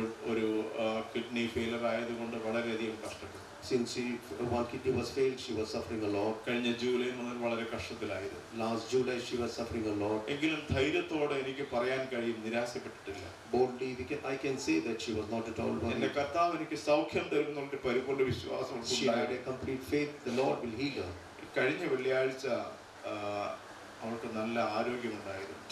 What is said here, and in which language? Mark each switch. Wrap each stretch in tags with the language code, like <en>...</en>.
<ml>ഒരു kidney failure ആയതുകൊണ്ട് വളരെയധികം കഷ്ടപ്പെട്ടു.</ml> <en>Since one kidney was failed, she was suffering a lot.</en> <ml>കഴിഞ്ഞ ജൂലൈ മുതൽ വളരെ കഷ്ടത്തിലായിരുന്നു.</ml> <en>Last July she was suffering a lot.</en> <ml>എങ്കിലും ധൈര്യത്തോടെ എനിക്ക് പറയാൻ കഴിയും, നിരാശപ്പെട്ടിട്ടില്ല.</ml> <en>Boldly I can say that she was not at all worried.</en> <ml>എന്റെ കർത്താവ് എനിക്ക് സൗഖ്യം തരുമെന്നുള്ള പരിപൂർണ്ണ വിശ്വാസം ഉണ്ട്.</ml> <en>She had a complete faith, the Lord will heal her.</en> <ml>കഴിഞ്ഞ വെള്ളിയാഴ്ച അവൾക്ക് നല്ല ആരോഗ്യമുണ്ടായിരുന്നു.</ml>